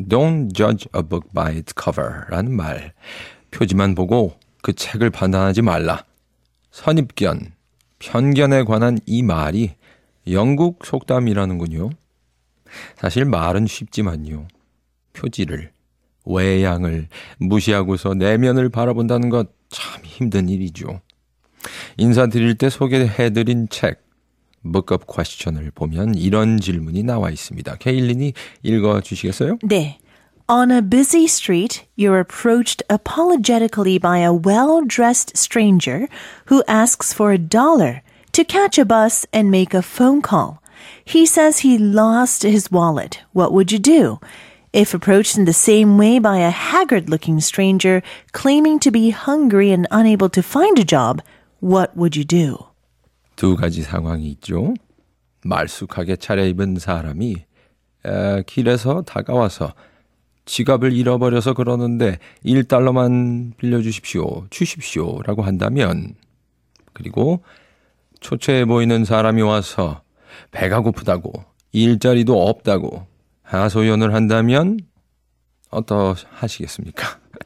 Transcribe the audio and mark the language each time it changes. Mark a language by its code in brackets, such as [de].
[en] Don't judge a book by its cover [ko] 라는 말. 표지만 보고 그 책을 판단하지 말라. 선입견, 편견에 관한 이 말이 영국 속담이라는군요. 사실 말은 쉽지만요. 표지를, 외양을 무시하고서 내면을 바라본다는 것 참 힘든 일이죠. 인사드릴 때 소개해드린 책 Book of Question을 보면 이런 질문이 나와 있습니다. 케일린이 읽어주시겠어요? 네. [en] On a busy street, you're approached apologetically by a well-dressed stranger who asks for a dollar to catch a bus and make a phone call. He says he lost his wallet. What would you do? If approached in the same way by a haggard-looking stranger claiming to be hungry and unable to find a job, what would you do? [ko] 두 가지 상황이 있죠. 말쑥하게 차려입은 사람이 길에서 다가와서 지갑을 잃어버려서 그러는데 1달러만 빌려주십시오, 주십시오 라고 한다면, 그리고 초췌해 보이는 사람이 와서 배가 고프다고 일자리도 없다고 하소연을 한다면 어떠하시겠습니까?